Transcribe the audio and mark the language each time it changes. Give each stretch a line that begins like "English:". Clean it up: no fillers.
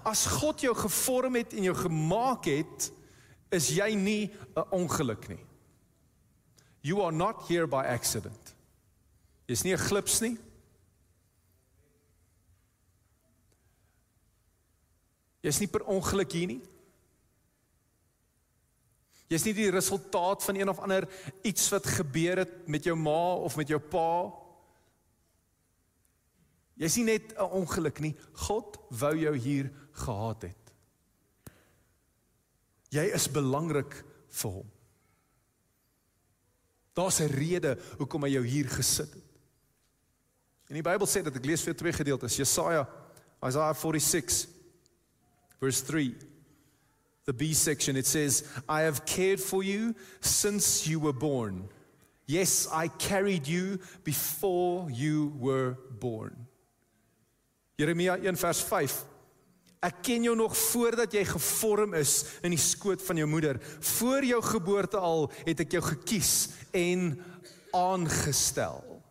Afrikaans: As God jou gevorm het en jou gemaak het, is jy nie 'n ongeluk nie.
English: You are not here by accident.
Afrikaans: Jy is nie 'n glips nie. Jy is nie per ongeluk hier nie. Jy is nie die resultaat van een of ander iets wat gebeur het met jou ma of met jou pa. Jy is nie net 'n ongeluk nie. God wou jou hier gehad het. Jy is belangrik vir hom. Daar's 'n rede hoekom hy jou hier gesit het. En die Bybel sê dat ek lees vir 2 gedeeltes. Isaiah 46, verse 3.
English: The B section, it says, I have cared for you since you were born. Yes, I carried you before you were born.
Afrikaans: Jeremia 1 vers 5. Ek ken jou nog voordat jy gevorm is in die skoot van jou moeder. Voor jou geboorte al het ek jou gekies en aangestel.